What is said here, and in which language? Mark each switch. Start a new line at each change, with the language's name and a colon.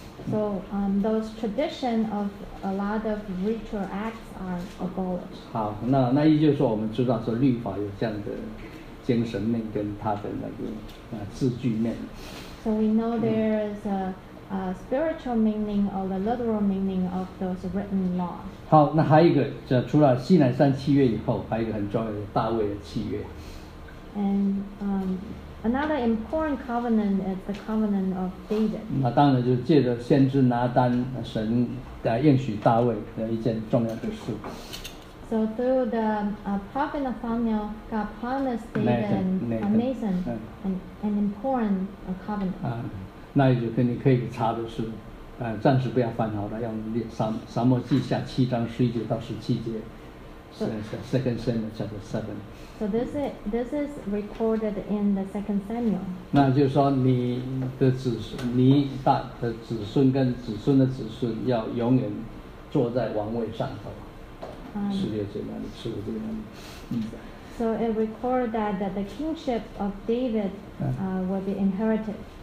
English: So those tradition of a lot of ritual acts are abolished.
Chinese: 好，那意思就是说，我们知道说律法有这样的精神面跟它的那个字句面。
English: So we know there is a spiritual meaning or the literal meaning of those written laws.
Chinese: 好，那还有一个，就除了西乃山契约以后，还有一个很重要的大卫的契约。
English: And another important covenant is the covenant of David.
Chinese: 那当然就借着先知拿单，神应许大卫的一件重要的事。
English: So through the prophet Nathaniel, God promised David Nathan, an important covenant.
Chinese: 那也就跟你可以查的是，暂时不要翻好了，要念撒母耳记下七章十一节到十七节。
English: Second Samuel chapter 7. So this is recorded in the Second Samuel.
Chinese: 那就是说你的子孙，你大的子孙跟子孙的子孙要永远坐在王位上头。十六节那里，十五节那里。
English: So it recorded that the kingship of David will be inherited.